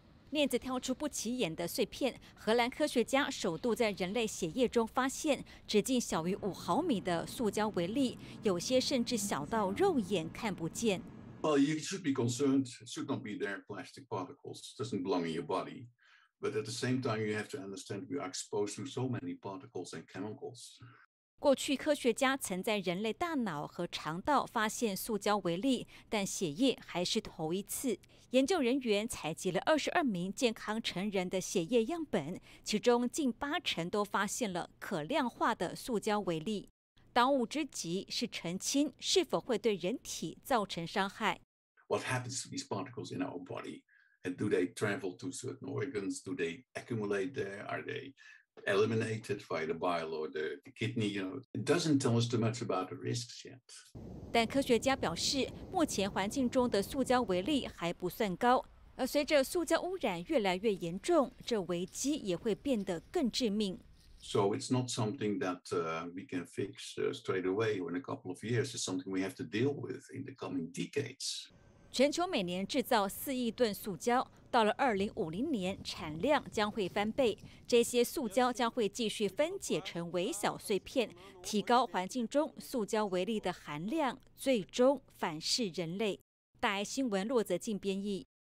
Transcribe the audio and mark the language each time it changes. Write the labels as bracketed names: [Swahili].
[Chinese] 链子挑出不起眼的碎片，荷兰科学家首度在人类血液中发现直径小于5毫米的塑胶微粒，有些甚至小到肉眼看不见。 [English] Well, you should be concerned. Should not be there plastic particles. Doesn't belong in your body. But at the same time, you have to understand we are exposed to so many particles and chemicals. [Chinese] 过去科学家曾在人类大脑和肠道发现塑胶微粒，但血液还是头一次。研究人员采集了22名健康成人的血液样本，其中近80%都发现了可量化的塑胶微粒。当务之急是澄清是否会对人体造成伤害。 [English] What happens to these particles in our body? And do they travel to certain organs? Do they accumulate there? Are theyeliminated by the bile or the kidney, you know, it doesn't tell us too much about the risks yet. [Chinese] 但科学家表示，目前环境中的塑胶微粒还不算高，而随着塑胶污染越来越严重，这危机也会变得更致命。 [English] So it's not something that we can fix straight away or in a couple of years. It's something we have to deal with in the coming decades. [Chinese] 全球每年制造4亿吨塑胶。到了2050年，产量将会翻倍。这些塑胶将会继续分解成微小碎片，提高环境中塑胶微粒的含量，最终反噬人类。大爱新闻骆泽静编译。